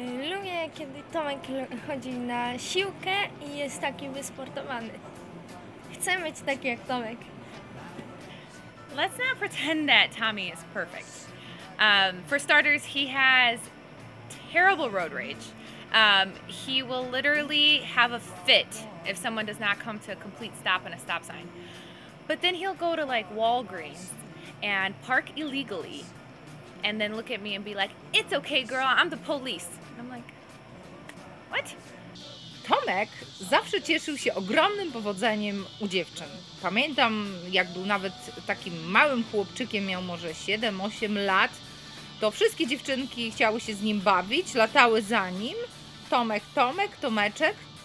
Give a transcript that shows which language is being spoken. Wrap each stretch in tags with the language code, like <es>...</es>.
<pl>Lubię, kiedy Tomek chodzi na siłkę i jest taki wysportowany. Chcę być taki jak Tomek.</pl> <en>Let's not pretend that Tommy is perfect. For starters, he has terrible road rage. He will literally have a fit if someone does not come to a complete stop in a stop sign. But then he'll go to like Walgreens and park illegally and then look at me and be like, it's okay, girl, I'm the police. And I'm like, what?</en> <pl>Tomek zawsze cieszył się ogromnym powodzeniem u dziewczyn. Pamiętam, jak był nawet takim małym chłopczykiem, miał może 7-8 lat, to wszystkie dziewczynki chciały się z nim bawić, latały za nim. Tomeczek.</pl>